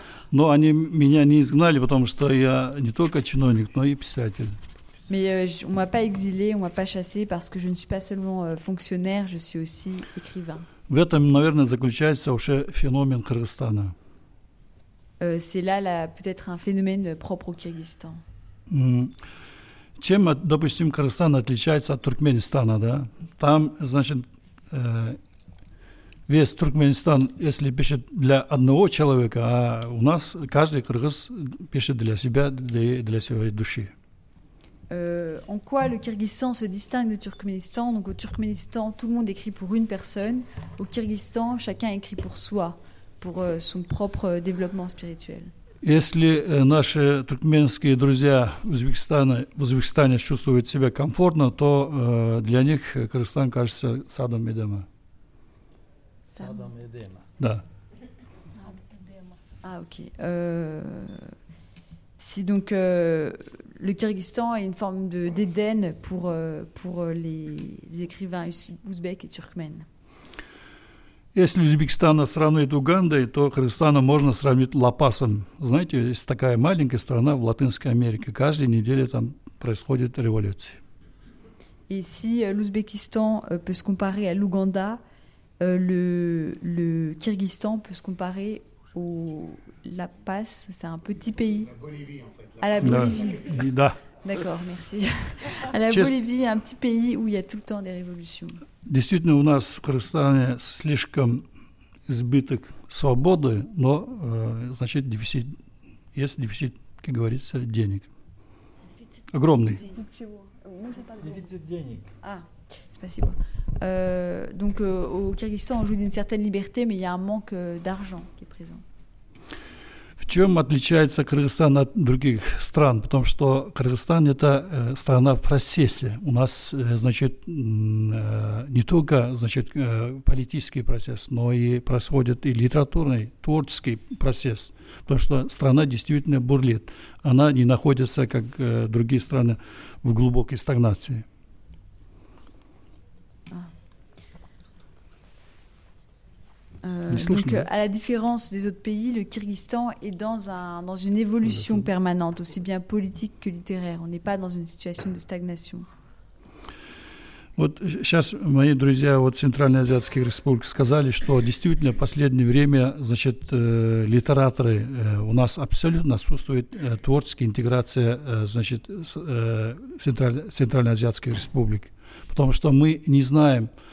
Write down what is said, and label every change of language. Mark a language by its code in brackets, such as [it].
[ru] Но они меня не изгнали, потому что я не только чиновник, но и писатель. [fr] Mais on ne m'a pas exilé, on ne m'a pas chassé parce que je ne suis pas seulement fonctionnaire, je suis aussi écrivain. [ru] В этом, наверное, заключается вообще феномен Кыргызстана. [fr] C'est là peut-être un phénomène propre au Kyrgyzstan. [ru] Чем, допустим, Кыргызстан отличается от Туркменистана, да? Там, значит, весь Туркменистан, если пишет для одного человека, а у нас каждый кыргыз пишет для себя, для своей души. [fr] En quoi le Kyrgyzstan se distingue du Turkménistan? Donc au Turkménistan, tout le monde écrit pour une personne. Au Kyrgyzstan, chacun écrit pour soi, pour son propre développement spirituel. [ru] Если наши туркменские друзья в Узбекистане чувствуют себя комфортно, то для них Кыргызстан кажется садом Эдема. Садом Эдема. Да. Садом Эдема. [fr] Ah, ok. Si donc le Kyrgyzstan est une forme de, d'Éden pour les écrivains ouzbeks et turkmènes. [ru] Если Узбекистан на сравнении с Угандой, то Кыргызстан можно сравнить с Ла-Пасом. Знаете, есть такая маленькая страна в Латинской Америке. Каждую неделю там происходит революция. И если Узбекистан может сравниться с Угандой, то Кыргызстан может сравниться с Ла-Пас. Это небольшой país. А [fr] la Bolivie. [ru] Да. [fr] D'accord, merci. À la Bolivie, un petit pays où il y a tout le temps des révolutions. [ru] Действительно, у нас в Кыргызстане слишком избыток свободы, но, значит, дефицит. Есть дефицит, как говорится, денег. Огромный. Дефицит чего? Дефицит денег. А, спасибо. [fr] Donc, au Kyrgyzstan, on joue d'une certaine liberté, mais il y a un manque d'argent qui est présent. [ru] В чем отличается Кыргызстан от других стран? Потому что Кыргызстан – это страна в процессе. У нас, значит, не только значит, политический процесс, но и происходит и литературный, творческий процесс. Потому что страна действительно бурлит. Она не находится, как другие страны, в глубокой стагнации. [fr] Donc, à la différence des autres pays, le Kyrgyzstan est dans une évolution permanente, aussi bien politique que littéraire. On n'est pas dans une situation de stagnation. [ru] Вот сейчас мои друзья вот Центральной Азиатской Республики сказали, что действительно в последнее время, значит, литераторы у нас абсолютно отсутствует творческая интеграция, значит, Центральной Азиатской Республики, потому что мы не знаем.